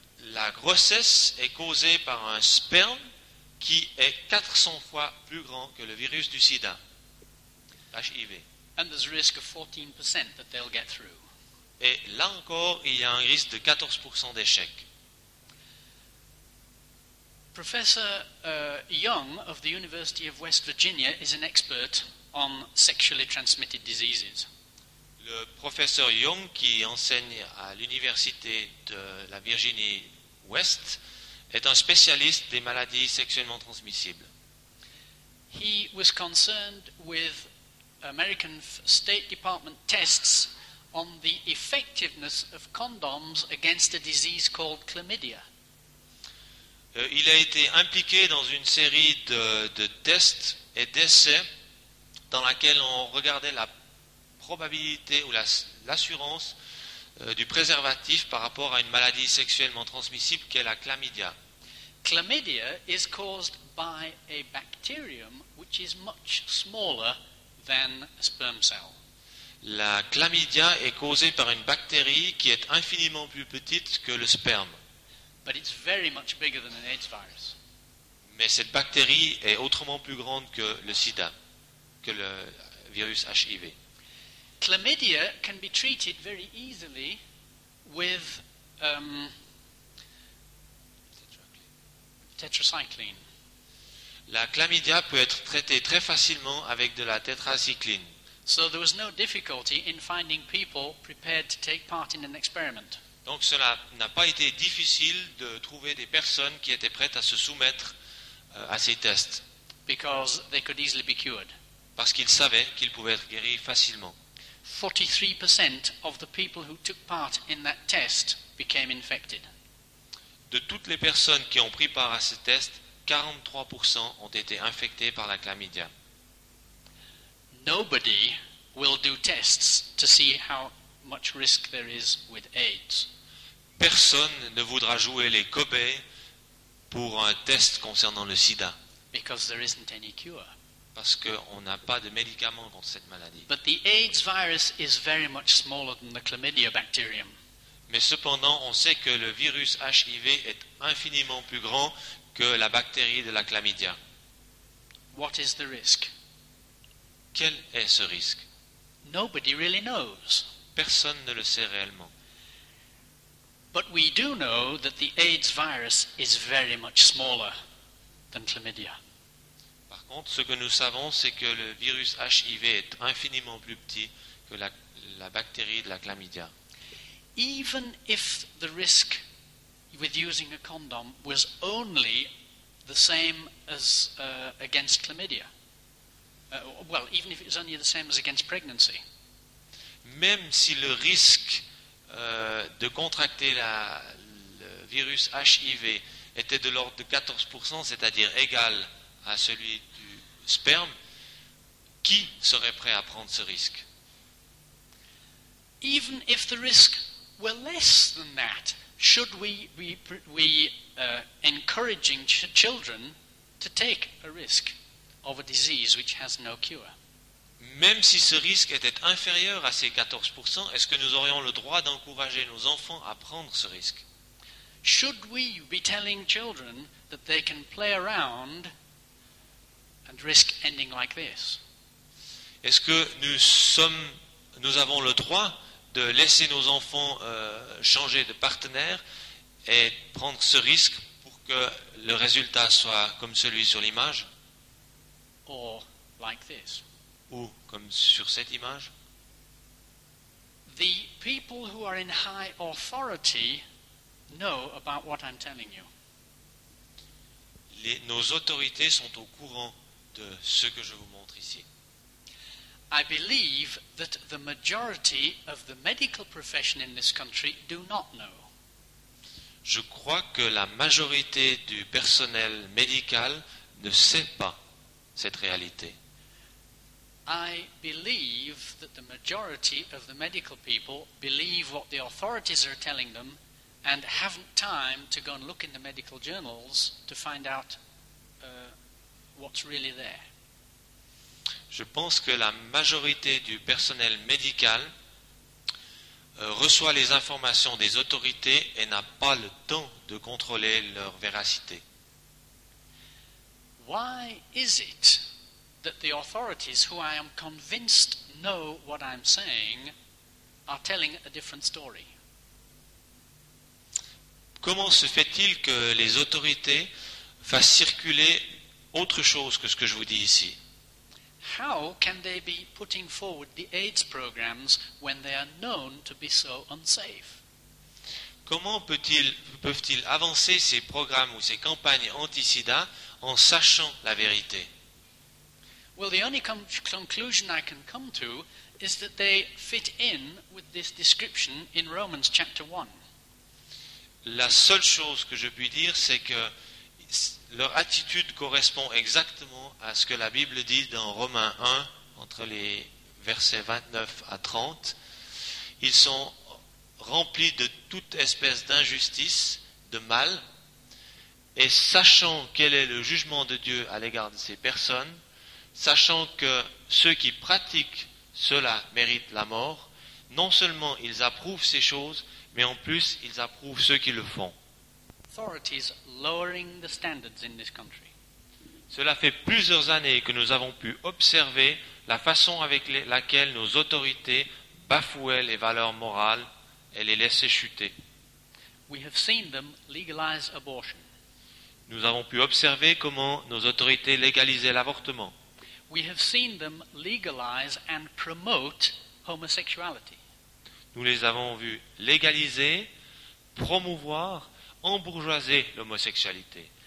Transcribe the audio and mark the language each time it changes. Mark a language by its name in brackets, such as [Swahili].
[French] La grossesse est causée par un sperme qui est 400 fois plus grand que le virus du sida, HIV. [English] And there's a risk of 14% that they'll get through. [French] Et là encore, il y a un risque de 14% d'échec. [English] Professor Young of the University of West Virginia is an expert on sexually transmitted diseases. [French] Le professeur Young, qui enseigne à l'université de la Virginie Ouest, est un spécialiste des maladies sexuellement transmissibles. [English] He was concerned with American State Department tests on the effectiveness of condoms against a disease called chlamydia. [French] Il a été impliqué dans une série de tests et d'essais dans laquelle on regardait la probabilité ou l'assurance du préservatif par rapport à une maladie sexuellement transmissible qu'est la chlamydia. [English] Chlamydia is caused by a bacterium which is much smaller than a sperm cell. [French] La chlamydia est causée par une bactérie qui est infiniment plus petite que le sperme. [English] But it's very much bigger than an AIDS virus. [French] Mais cette bactérie est autrement plus grande que le sida, que le virus HIV. [English] Chlamydia can be treated very easily with tetracycline. [French] La chlamydia peut être traitée très facilement avec de la tétracycline. [English] So there was no difficulty in finding people prepared to take part in an experiment. [French] Donc cela n'a pas été difficile de trouver des personnes qui étaient prêtes à se soumettre à ces tests. [English] Because they could easily be cured. [French] Parce qu'ils savaient qu'ils pouvaient être guéris facilement. [English] 43% of the people who took part in that test became infected. [French] De toutes les personnes qui ont pris part à ce test, 43% ont été infectées par la chlamydia. [English] Nobody will do tests to see how much risk there is with AIDS. [French] Personne ne voudra jouer les cobayes pour un test concernant le sida. [English] Because there isn't any cure. [French] Parce qu'on n'a pas de médicament contre cette maladie. [English] But the AIDS virus is very much smaller than the chlamydia bacterium. [French] Mais cependant, on sait que le virus HIV est infiniment plus grand que la bactérie de la chlamydia. [English] What is the risk? [French] Quel est ce risque? [English] Nobody really knows. [French] Personne ne le sait réellement. [English] But we do know that the AIDS virus is very much smaller than chlamydia. [French] Par contre, ce que nous savons, c'est que le virus HIV est infiniment plus petit que la bactérie de la chlamydia. [English] Even if the risk with using a condom was only the same as against chlamydia, well, even if it was only the same as against pregnancy. [French] Même si le risque de contracter le virus HIV était de l'ordre de 14%, c'est-à-dire égal à celui du sperme, qui serait prêt à prendre ce risque? [English] Even if the risk were less than that, should we encouraging children to take a risk of a disease which has no cure? [French] Même si ce risque était inférieur à ces 14%, est-ce que nous aurions le droit d'encourager nos enfants à prendre ce risque? [English] Should we be telling children that they can play around and risk ending like this? [French] Est-ce que nous sommes nous avons le droit de laisser nos enfants changer de partenaire et prendre ce risque pour que le résultat soit comme celui sur l'image. [English] Or like this. [French] Ou comme sur cette image. [English] The people who are in high authority know about what I'm telling you. [French] Nos autorités sont au courant de ce que je vous montre ici. [English] I believe that the majority of the medical profession in this country do not know. [French] Je crois que la majorité du personnel médical ne sait pas cette réalité. [English] I believe that the majority of the medical people believe what the authorities are telling them and haven't time to go and look in the medical journals to find out what's really there. [French] Je pense que la majorité du personnel médical reçoit les informations des autorités et n'a pas le temps de contrôler leur véracité. [English] Why is it that the authorities who I am convinced know what I'm saying are telling a different story? [French] Comment se fait-il que les autorités fassent circuler autre chose que ce que je vous dis ici? [English] How can they be putting forward the AIDS programs when they are known to be so unsafe? [French] Comment peuvent-ils avancer ces programmes ou ces campagnes anti-sida en sachant la vérité? [English] Well, the only conclusion I can come to is that they fit in with this description in Romans chapter 1. [French] La seule chose que je puis dire, c'est que leur attitude correspond exactement à ce que la Bible dit dans Romains 1, entre les versets 29 à 30. Ils sont remplis de toute espèce d'injustice, de mal, et sachant quel est le jugement de Dieu à l'égard de ces personnes, sachant que ceux qui pratiquent cela méritent la mort, non seulement ils approuvent ces choses, mais en plus, ils approuvent ceux qui le font. [English] Authorities lowering the standards in this country. [French] Cela fait plusieurs années que nous avons pu observer la façon avec laquelle nos autorités bafouaient les valeurs morales et les laissaient chuter. [English] We have seen them legalize abortion. [French] Nous avons pu observer comment nos autorités légalisaient l'avortement. [English] We have seen them legalize and promote homosexuality. [French] Nous les avons vus légaliser, promouvoir, embourgeoiser l'homosexualité.